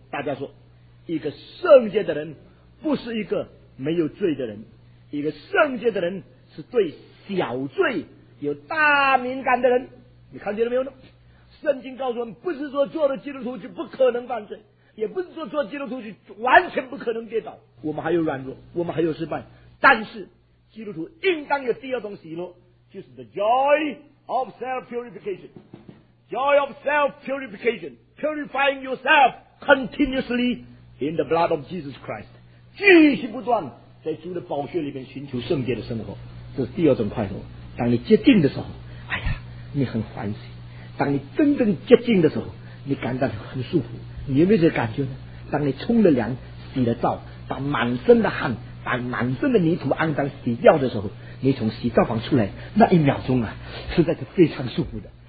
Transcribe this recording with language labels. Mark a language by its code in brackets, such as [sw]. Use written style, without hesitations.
[zh] 大家说，一个圣洁的人不是一个没有罪的人，一个圣洁的人是对小罪有大敏感的人。你看见了没有呢？圣经告诉我们，不是说做了基督徒就不可能犯罪，也不是说做基督徒就完全不可能跌倒，我们还有软弱，我们还有失败。 [en] 但是基督徒应当有第二种喜乐，就是 the joy of self purificationJoy of self-purification, purifying yourself continuously in the blood of Jesus Christ. [zh] 继续不断在主的宝血里面寻求圣洁的生活，这是第二种快乐。当你接近的时候，哎呀，你很欢喜；当你真正接近的时候，你感到很舒服。你有没有这个感觉呢？当你冲了凉、洗了澡，把满身的汗、把满身的泥土肮脏洗掉的时候，你从洗澡房出来那一秒钟啊，实在是非常舒服的。